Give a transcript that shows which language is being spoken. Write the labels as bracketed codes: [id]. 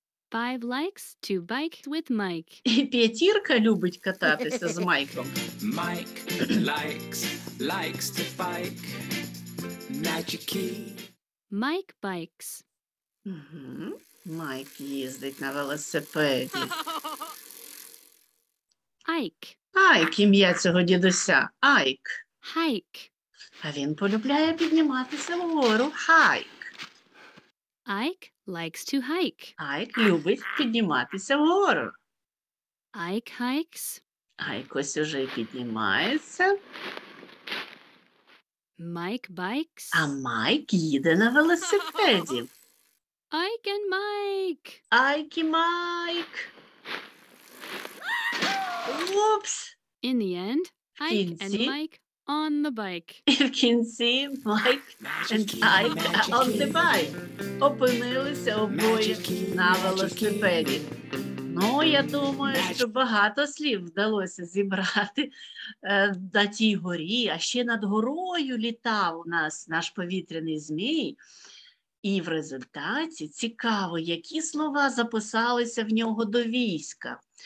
[en] Five likes to bike with Mike. [uk] І п'ятірка любить кататися з Майком. [en] Mike likes to bike. Magic key. Mike bikes. [uk] Майк їздить на велосипеді. [en] Ike. [uk] Ike, ім'я цього дідуся. [en] Ike. Hike. [uk] А він полюбляє підніматися вгору. [en] Hike. Ike likes to hike. [uk] Ike любить підніматися вгору. [en] Ike hikes. [uk] Ike ось уже й піднімається. [en] Mike bikes. [uk] А Майк їде на велосипеді. [en] Ike and Mike. [uk] Ike і Майк. Упс. [en] In the end, Ike and Mike on the bike. [uk] І в кінці [en] Mike and Ike on the bike. [uk] Опинилися обоє на велосипеді. Ну, я думаю, що багато слів вдалося зібрати на тій горі. А ще над горою літав у нас наш повітряний змій. І в результаті цікаво, які слова записалися в нього до війська.